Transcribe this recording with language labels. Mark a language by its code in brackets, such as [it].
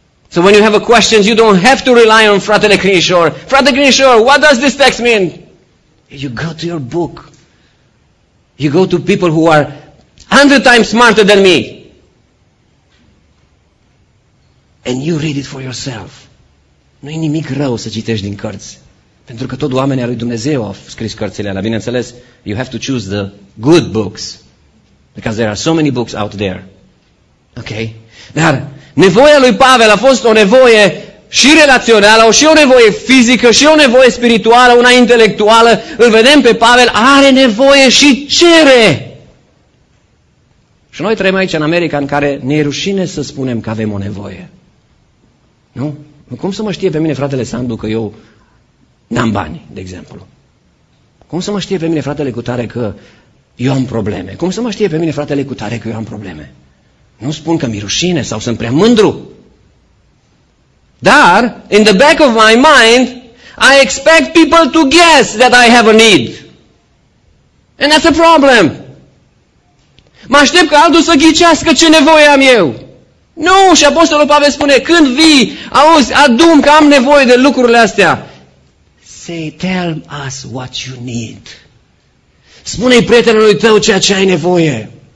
[en] So when you have a question, you don't have to rely on Fratele Crișor. Fratele Crișor, what does this text mean? You go to your book. You go to people who are 100 times smarter than me. And you read it for yourself. [ro] Nu-i nimic rău să citești din cărți. Pentru că tot oamenii lui Dumnezeu au scris cărțile alea. [en] Bineînțeles, you have to choose the good books. Because there are so many books out there. Ok? [ro] Dar nevoia lui Pavel a fost o nevoie și relațională, și o nevoie fizică, și o nevoie spirituală, una intelectuală. Îl vedem pe Pavel, are nevoie și cere. Și noi trăim aici în America în care ne e rușine să spunem că avem o nevoie. Nu? Cum să mă știe pe mine fratele Sandu că eu n-am bani, de exemplu? Cum să mă știe pe mine fratele Cutare că eu am probleme? Cum să mă știe pe mine fratele Cutare că eu am probleme? Nu spun că mi-e rușine sau sunt prea mândru. [en] Dar, in the back of my mind, I expect people to guess that I have a need. And that's a problem. [ro] Mă aștept că altul să ghicească ce nevoie am eu. Nu, și Apostolul Pavel spune, când vii, auzi, adum că am nevoie de lucrurile astea. [en] Say, tell us what you need. [ro] Spune-i prietenului tău ceea ce ai nevoie.